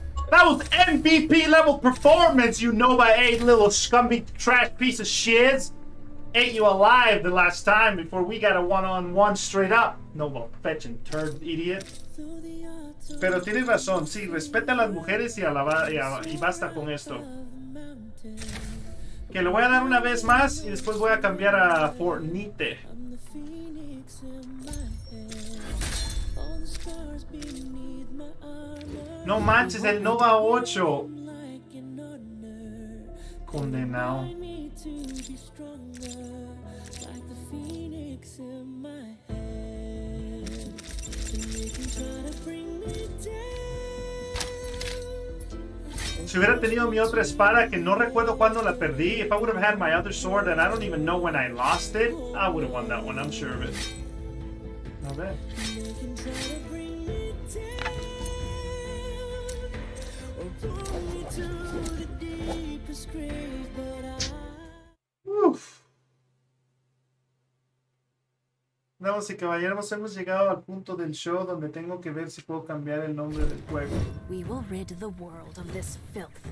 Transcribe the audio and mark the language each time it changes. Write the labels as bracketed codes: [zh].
[en] That was MVP level performance, you Nova 8 little scummy trash piece of shit. Ate you alive the last time before we got a one-on-one straight up. No, well, fetching turd, idiot. [es] Pero tienes razón. Sí, respeta a las mujeres y, y basta con esto. Que le voy a dar una vez más y después voy a cambiar a Fortnite. No manches, el Nova 8. Condenado. Si hubiera tenido mi otra espada, que no recuerdo cuándo la perdí. [en] If I would have had my other sword that I don't even know when I lost it, I would have won that one, I'm sure of it. Not bad. Uff. [es] Damas y caballeros, hemos llegado al punto del show donde tengo que ver si puedo cambiar el nombre del juego. [en] We will rid the world of this filth.